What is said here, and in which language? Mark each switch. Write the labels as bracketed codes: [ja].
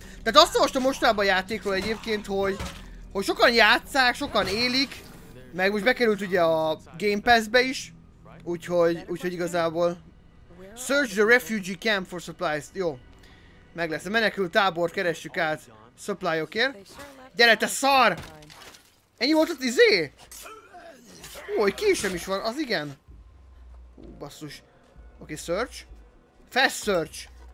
[hu] Tehát azt olvastam mostában a játékról egyébként, hogy sokan játsszák, sokan élik, meg most bekerült ugye a Game Pass-be is, úgyhogy igazából. [en] Search the refugee camp for supplies. [hu] Jó, meg lesz. A menekült tábort keressük át supply-okért. Gyere, te szar! Ennyi volt az izé? Ó, egy késem is van, az igen. Hú, basszus. Oké, [en] search. Fast search.